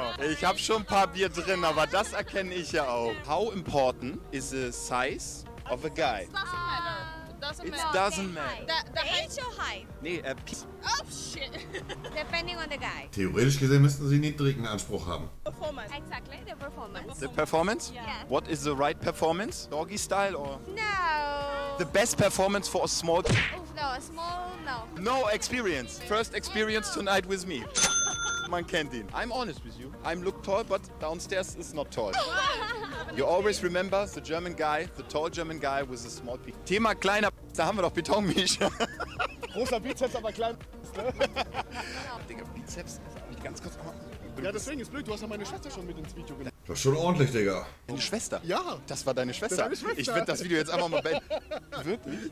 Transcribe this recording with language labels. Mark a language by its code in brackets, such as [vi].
[de] Ich hab schon ein paar Bier drin, aber das erkenne ich ja auch. [en] How important is the size of a guy? Doesn't matter. It doesn't matter. The age or height? [de] Nee, [en] Oh shit. Depending on the guy. [de] Theoretisch gesehen müssten sie niedrigen Anspruch haben. [en] Performance. Exactly, the performance. The performance? Yeah. What is the right performance? Doggy style or? No. The best performance for a small... Oh, no, a small, no. No experience. First experience tonight with me. [de] Man kennt ihn. [en] I'm honest with you. I'm look tall, but downstairs is not tall. You always remember the German guy, the tall German guy with the small p. [de] Thema kleiner p***, da haben wir doch Betonmisch. Großer Bizeps, aber klein p***, ne? Digga, Bizeps, nicht ganz kurz. Ja, deswegen ist blöd, du hast ja meine Schwester schon mit ins Video genommen. Das ist schon ordentlich, Digga. Deine Schwester? Ja. Das war deine Schwester. Deine Schwester. Ich würde das Video jetzt einfach mal beenden. Wirklich?